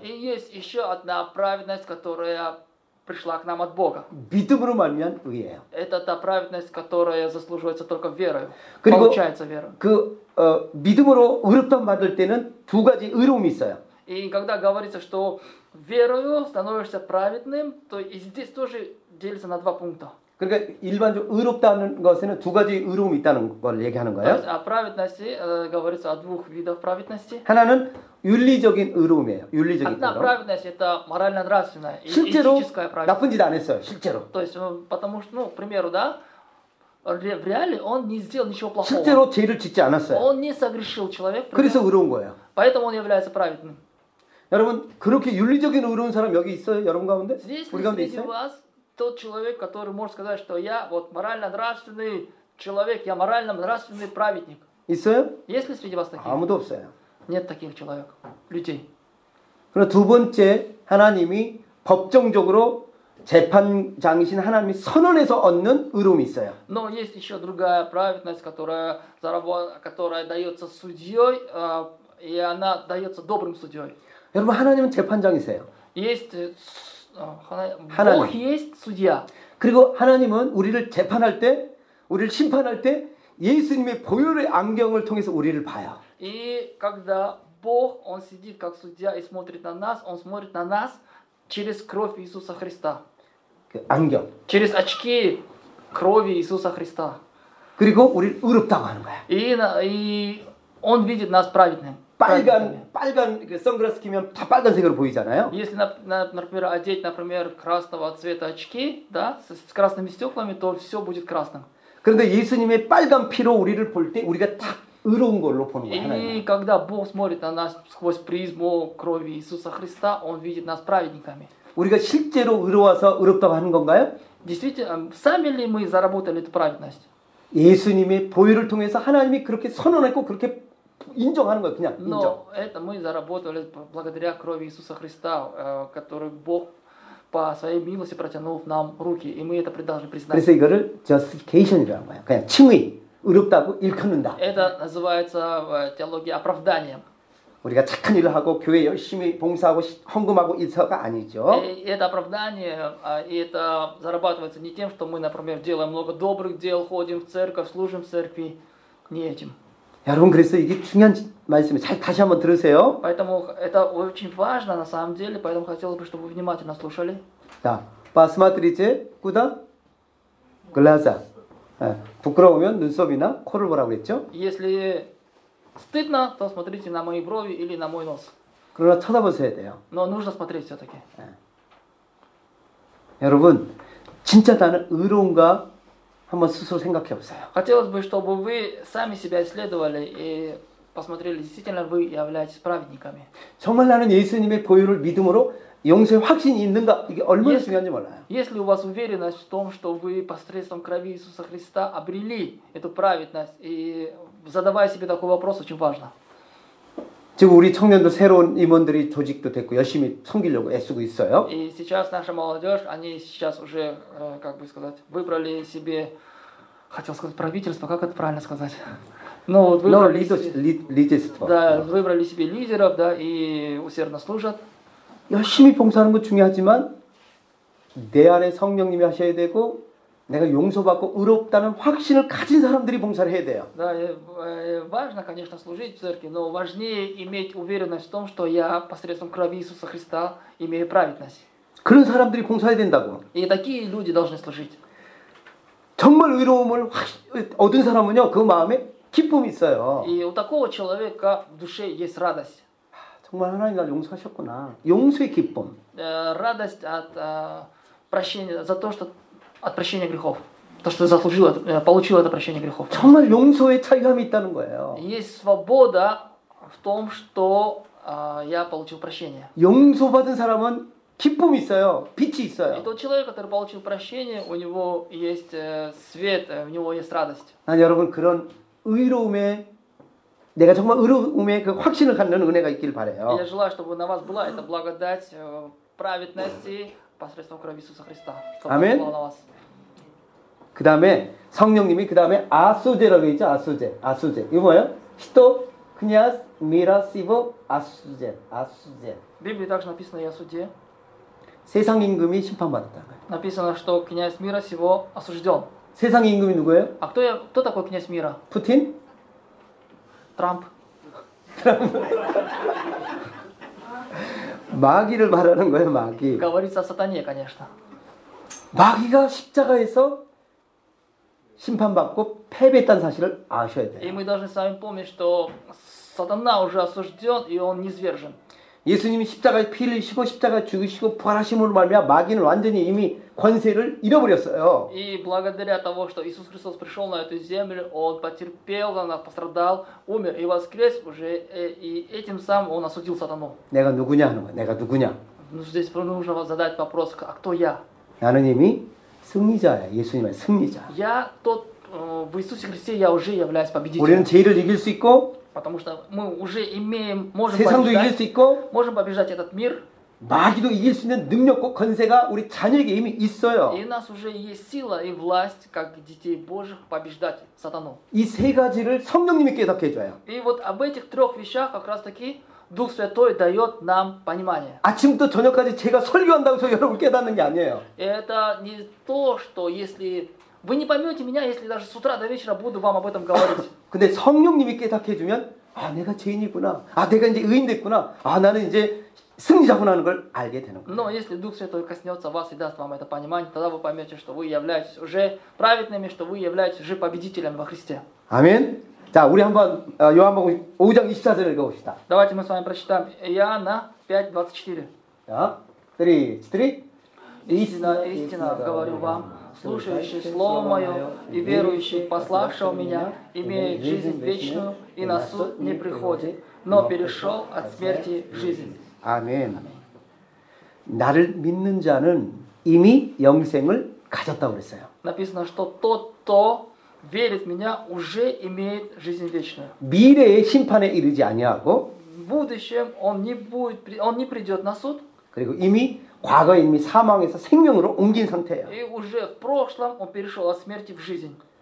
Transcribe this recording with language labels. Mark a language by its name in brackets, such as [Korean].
[Russian] И есть еще одна праведность, которая пришла к нам от Бога. [Korean] 믿음으로 말미암는 의예요. [Russian] Это та праведность, которая заслуживается только верой. [Korean] 그리고 [Russian] получается верой. [Korean] 그 믿음으로 의롭다함 받을 때는 두 가지 의로움이 있어요. [Russian] И когда говорится, что верою становишься праведным, то и здесь тоже делится на два пункта. [Korean] 그러니까 일반적으로 의롭다는 것에는 두 가지 의로움이 있다는 걸 얘기하는 거예요. [Russian] А праведности говорится о двух видах праведности. [Korean] 하나는 윤리적인 의로움이에요. 윤리적인 의로움. 아, [Russian] праведность это морально нравственная, этическая праведность. [Korean] 나쁜 짓 안 했어요, 실제로. [Russian] То есть, потому что, ну, к примеру, да, в реале он не сделал ничего плохого. [Korean] 실제로 죄를 짓지 않았어요. [Russian] Он не согрешил человек. [Korean] 그래서 의로운 거예요. [Russian] Поэтому он является праведным. [Korean] 여러분, 그렇게 윤리적인 의로운 사람 여기 있어요, 여러분 가운데? 우리 가운데 있어요? [Russian] Тот человек, который может сказать, что я вот морально нравственный человек, я морально нравственный праведник. Есть? Есть ли среди вас такие? [Korean] 아무도 없어요. [Russian] Нет таких человек, людей. [Korean] 그럼 두 번째 하나님이 법정적으로 재판장이신 하나님이 선언해서 얻는 의로움이 있어요. [Russian] Но есть еще другая праведность, которая дается судьей, и она дается добрым судьей. [Korean] 여러분 하나님은 재판장이세요. [Russian] Есть. [Korean] 하나님. [Russian] Бог есть судья. [Korean] 그리고 하나님은 우리를 재판할 때, 우리를 심판할 때 예수님의 보혈의 안경을 통해서 우리를 봐요. [Russian] И когда Бог он сидит как судья и смотрит на нас, он смотрит на нас через кровь Иисуса Христа. [Korean] 그 안경. [Russian] Через очки крови Иисуса Христа. [Korean] 그리고 우리를 의롭다고 하는 거야. [Russian] И он видит нас праведными. [Korean] 빨간 그 선글라스 끼면 다 빨간색으로 보이잖아요. [Russian] Если например одеть, например, красного цвета очки, да, с красными стёклами, то всё будет красным. [Korean] 그런데 예수님의 빨간 피로 우리를 볼 때 우리가 딱 의로운 걸로 보는 거예요. [Russian] И когда Бог смотрит на нас сквозь призму крови Иисуса Христа, он видит нас праведниками. [Korean] 우리가 실제로 의로워서 의롭다고 하는 건가요? [Russian] Действительно, сами ли мы заработали эту праведность? [Korean] 예수님의 보혈을 통해서 하나님이 그렇게 선언했고 그렇게 인정하는 거야 그냥 [Russian] Но инжо. Это мы заработали благодаря крови Иисуса Христа, который Бог по своей милости протянул нам руки, и мы это должны признать. [Korean] 그래서 이거를 justification이라는 거야. 그냥 칭의, 의롭다고 일컫는다. [Russian] Это называется в теологии оправданием. [Korean] 우리가 착한 일을 하고 교회 열심히 봉사하고 헌금하고 이서가 아니죠. [Russian] Это оправдание, и это зарабатывается не тем, что мы, например, делаем много добрых дел, ходим в церковь, служим в церкви, не этим. [Korean] 여러분 그래서 이게 중요한 말씀이에요. 잘 다시 한번 들으세요. [Russian] Поэтому это очень важно на самом деле, поэтому хотелось бы, чтобы вы внимательно слушали. [Korean] 자, [Russian] посмотрите куда? Глаза. [Korean] 네. 부끄러우면 눈썹이나 코를 보라고 했죠? [Russian] Если стыдно, то смотрите на мои брови или на мой нос. [Korean] 그러나 쳐다보셔야 돼요. [Russian] Но нужно смотреть все-таки. [Korean] 네. 여러분, 진짜 나는 의로운가 한번 스스로 생각해 보세요. [Russian] Хотелось бы, чтобы вы сами себя исследовали и посмотрели, действительно вы являетесь праведниками. [Korean] 정말 나는 예수님의 보혈을 믿음으로 용서의 확신이 있는가? 이게 얼마나 중요한지 몰라요. [Russian] Если у вас уверенность в том, что вы посредством крови Иисуса Христа обрели эту праведность, и задавая себе такой вопрос, очень важно. [Korean] 지금 우리 청년들 새로운 임원들이 조직도 됐고 열심히 섬기려고 애쓰고 있어요. [Russian] И сейчас наша молодежь, они сейчас уже, как бы сказать, выбрали себе, хотел сказать правительство, как это правильно сказать? Ну, выбрали лидерство. Да, выбрали себе лидеров, да, и усердно служат. [Korean] 열심히 봉사하는 거 중요하지만 내 안에 성령님이 하셔야 되고 내가 용서받고 의롭다는 확신을 가진 사람들이 봉사를 해야 돼요. 네, [Russian] важно, конечно, служить в церкви, но важнее иметь уверенность в том, что я посредством крови Иисуса Христа имею праведность. [Korean] 그런 사람들이 봉사해야 된다고. [Russian] И такие люди должны служить. [Korean] 정말 의로움을 얻은 사람은요, 그 마음에 기쁨이 있어요. [Russian] И у такого человека в душе есть радость. [Korean] 정말 하나님 날 용서하셨구나. 용서의 기쁨. [Russian] Радость от прощения за то, что от прощения грехов. То, что заслужил, получил это прощение грехов. [Korean] 정말 용서의 차이감이 있다는 거예요. [Russian] Есть свобода в том, что я получил прощение. [Korean] 용서받은 사람은 기쁨이 있어요. 빛이 있어요. [Russian] И тот человек, который получил прощение, у него есть свет, у него есть радость. [Korean] 난 여러분 그런 의로움에 내가 정말 의로움의 그 확신을 갖는 은혜가 있길 바래요. [Russian] Я желаю, чтобы на вас была эта благодать праведности посредством крови Иисуса Христа. [Korean] 아멘. 그다음에 성령님이 그다음에 아수제라고 있죠. 아수제. 아수제. 이거 뭐예요? 히토 그냐스 미라시보 아수제. 아수제. [Russian] Библии также написано я суде. [Korean] 세상 임금이 심판받았다. [Russian] Написано, что князь мира сего осуждён. [Korean] 세상 임금이 누구예요? [Russian] А кто я? Кто такой князь мира? [Korean] 푸틴? [Russian] Трамп. [Korean] 마귀를 말하는 거예요, 마귀. [Russian] Говорится о сатане, конечно. [Korean] 마귀가 십자가에서 심판받고 패배했다는 사실을 아셔야 돼요. [Russian] И мы должны с вами помнить, что сатана уже осужден и он низвержен. [Korean] 예수님이 십자가에 피를 흘리시고 십자가에 죽으시고 부활하심으로 말미암아 마귀는 완전히 이미 권세를 잃어버렸어요. [Russian] И благодаря того, что Иисус Христос пришел на эту землю, он потерпел, он пострадал, умер и воскрес уже, и этим самым он осудил сатану. [Korean] 내가 누구냐 하는 거야. 내가 누구냐? [Russian] Здесь нужно задать вопрос, а кто я? [Korean] 나는 이미 승리자야. 예수님의 승리자. [Russian] Я тот, в Иисусе Христе я уже являюсь победителем. [Korean] 우리는 죄를 이길 수 있고. [Russian] Потому что мы уже имеем, можем побеждать этот мир. [Korean] 마귀도 이길 수 있는 능력과 권세가 우리 자녀에게 이미 있어요. [Russian] И у нас уже есть сила и власть, как детей Божьих, побеждать сатану. [Korean] 이 세 가지를 성령님이 깨닫게 해줘요. [Russian] И вот об этих трех вещах как раз таки Дух Святой дает нам понимание. [Korean] 아침부터 저녁까지 제가 설교한다고 해서 여러분 깨닫는 게 아니에요. [Russian] Это не то, что если вы не поймете меня, если даже с утра до вечера буду вам об этом говорить. [Korean] 근데 성령님이 깨닫게 해주면 아 내가 죄인이구나 아 내가 이제 의인됐구나 아 나는 이제 승리자구나 하는 걸 알게 되는 거예요. [Russian] Но если Дух Святой коснется вас и даст вам это понимание, тогда вы поймете, что вы являетесь уже праведными, что вы являетесь уже победителем во Христе. [Korean] 아멘. 자 우리 한번 요한복음 5장 24절을 읽어봅시다. [Russian] Давайте мы с вами прочитаем Иоанна 5:24. [Korean] 자, 3:3. [Russian] Истина, истина, говорю вам. Слушающий слово мое и верующий пославшего меня имеет жизнь вечную и на суд не приходит, но перешел от смерти в жизнь. [Korean] 아멘. 나를 믿는 자는 이미 영생을 가졌다 그랬어요. [Russian] Написано, что тот, кто верит в меня, уже имеет жизнь вечную. [Korean] 미래의 심판에 이르지 아니하고. [Russian] В будущем он не придет на суд. [Korean] 그리고 이미 과거 이미 사망에서 생명으로 옮긴 상태예요. И уже в прошлом он перешел от смерти в жизнь.